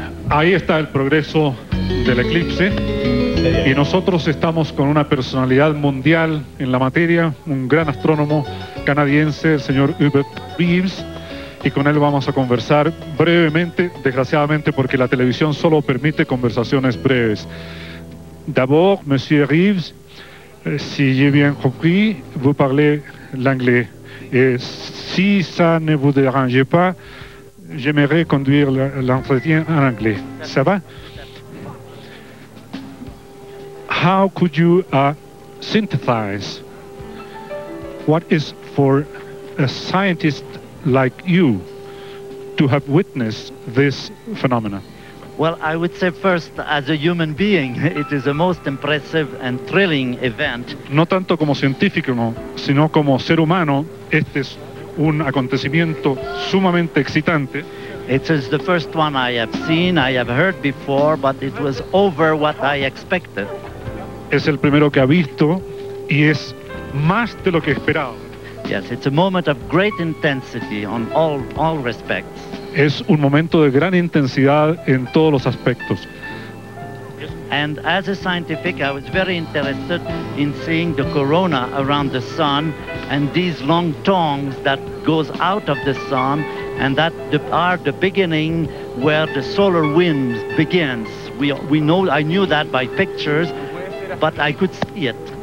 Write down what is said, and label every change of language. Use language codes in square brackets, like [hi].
[es] Ahí está el progreso del eclipse. Y nosotros estamos con una personalidad mundial en la materia, un gran astrónomo canadiense, el señor Hubert Reeves. Y con él vamos a conversar brevemente, desgraciadamente, porque la televisión solo permite conversaciones breves. [fr] D'abord, monsieur Reeves, si j'ai bien compris, vous parlez l'anglais. Et si ça ne vous dérange pas, j'aimerais conduire l'entretien en anglais. Ça va? [en] How could you synthesize what is for a scientist like you to have witnessed this phenomena? Well, I would say first, as a human being, it is a most impressive and thrilling event. [es] No tanto como científico, sino como ser humano, este es un acontecimiento sumamente excitante. [en] It is the first one I have seen, I have heard before, but it was over what I expected. [es] Es el primero que ha visto y es más de lo que esperaba. [en] Yes, it's a moment of great intensity on all respects. [es] Es un momento de gran intensidad en todos los aspectos. [en] And as a scientific, I was very interested in seeing the corona around the sun and these long tongues that goes out of the sun and that are the beginning where the solar wind begins. I knew that by pictures, but I could see it.